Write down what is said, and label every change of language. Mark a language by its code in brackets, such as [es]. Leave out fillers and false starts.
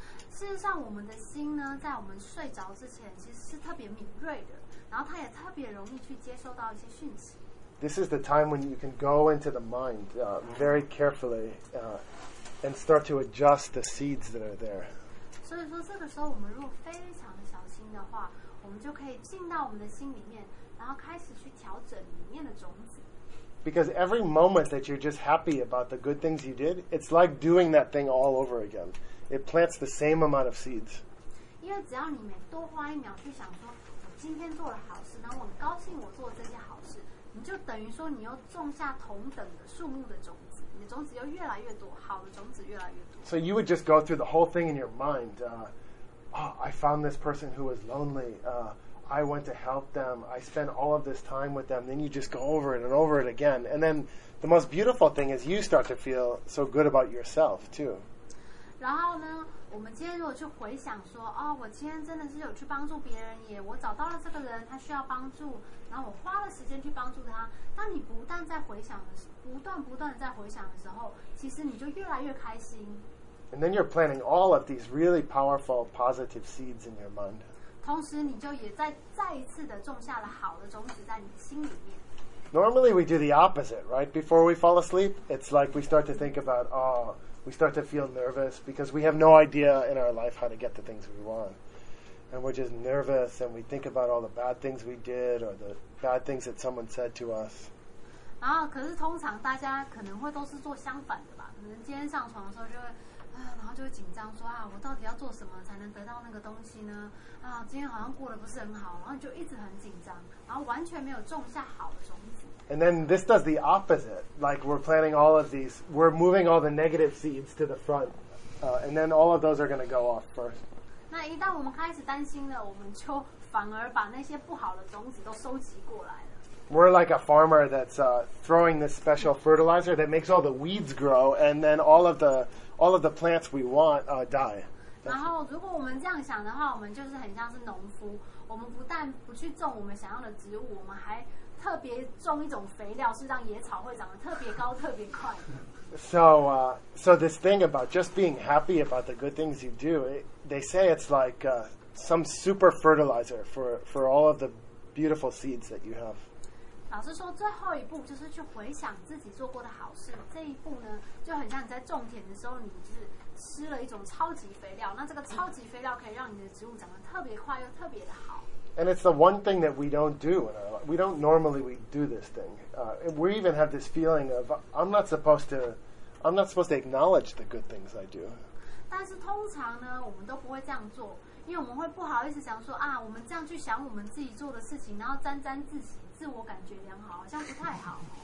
[zh] 事实上，我们的心呢，在我们睡着之前，其实是特别敏锐的，然后它也特别容易去接收到一些讯息。 [en] This is the time when you can go into the mind very carefully and start to adjust the seeds that are there. [zh] 所以说，这个时候我们如果非常小心的话，我们就可以进到我们的心里面，然后开始去调整里面的种子。 [en] Because every moment that you're just happy about the good things you did, it's like doing that thing all over again. It plants the same amount of seeds. [zh] 因为只要你每多花一秒去想说，我今天做了好事，然后我很高兴我做这些好事。你就等于说，你又种下同等的树木的种子，你的种子又越来越多，好的种子越来越多。 [en] So you would just go through the whole thing in your mind. I found this person who was lonely. I went to help them. I spent all of this time with them. Then you just go over it and over it again. And then the most beautiful thing is you start to feel so good about yourself too. [zh] 然后呢，我们今天如果去回想说，哦，我今天真的是有去帮助别人，也我找到了这个人，他需要帮助，然后我花了时间去帮助他。当你不断在回想的时候，其实你就越来越开心。 [en] And then you're planting all of these really powerful positive seeds in your mind. [zh] 同时，你就也再一次的种下了好的种子在你心里面。 [en] Normally we do the opposite, right? Before we fall asleep, it's like we start to think about, oh. We start to feel nervous because we have no idea in our life how to get the things we want. And we're just nervous and we think about all the bad things we did or the bad things that someone said to us. [zh] 然后可是通常大家可能会都是做相反的吧。可能今天上床的时候就会然后就会紧张说啊我到底要做什么才能得到那个东西呢啊今天好像过得不是很好然后就一直很紧张然后完全没有种下好的种子。 [en] And then this does the opposite. Like we're planting all of these, we're moving all the negative seeds to the front. And then all of those are going to go off first. [zh] 那一旦我们开始担心了，我们就反而把那些不好的种子都收集过来了。 [en] We're like a farmer that's throwing this special fertilizer that makes all the weeds grow, and then all of the plants we want die. [zh] 然后如果我们这样想的话，我们就是很像是农夫。我们不但不去种我们想要的植物，我们还特别种一种肥料，是让野草会长得特别高、特别快。 [en] So this thing about just being happy about the good things you do, they say it's like some super fertilizer for all of the beautiful seeds that you have. [zh] 老师说，最后一步就是去回想自己做过的好事。这一步呢，就很像你在种田的时候，你就是吃了一种超级肥料。那这个超级肥料可以让你的植物长得特别快又特别的好。 [en] And it's the one thing that we don't do in our life. We do this thing. We even have this feeling of, I'm not supposed to acknowledge the good things I do. [zh] 但是通常呢，我们都不会这样做，因为我们会不好意思想说啊，我们这样去想我们自己做的事情，然后沾沾自喜，自我感觉良好，好像不太好。